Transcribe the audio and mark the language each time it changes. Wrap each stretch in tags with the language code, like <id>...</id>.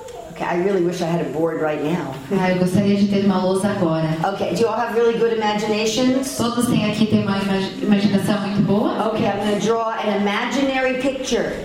<en>Okay, I really wish I had a board right now.</en> <pt>Eu gostaria de ter uma lousa agora.</pt> <en>Okay, do you all have really good imaginations?</en> <pt>Todos têm aqui tem uma imaginação muito boa.</pt> <en>Okay, I'm going to draw an imaginary picture.</en>